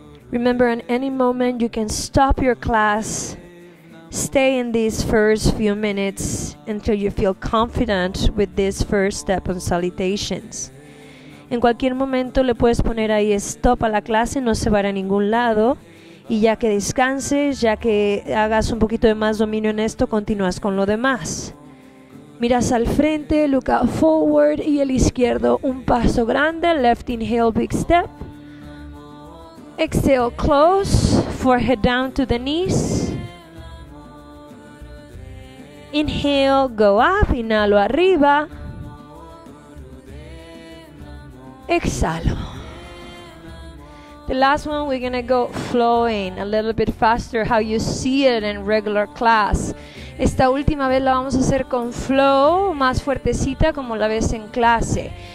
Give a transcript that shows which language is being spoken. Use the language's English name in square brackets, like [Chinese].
[English] Remember, in any moment, you can stop your class. Stay in these first few minutes until you feel confident with this first step on salutations. [Spanish] En cualquier momento le puedes poner ahí stop a la clase, no se va a ningún lado. Y ya que descanses, ya que hagas un poquito de más dominio en esto, continúas con lo demás. Miras al frente, [English] look out forward, [Spanish] y el izquierdo, un paso grande, [English] left inhale, big step. Exhale, close, forehead down to the knees. Inhale, go up, [Spanish] inhalo arriba. Exhalo. [English] The last one, we're gonna go flowing a little bit faster, how you see it in regular class. [Spanish] Esta última vez la vamos a hacer con flow, más fuertecita como la ves en clase.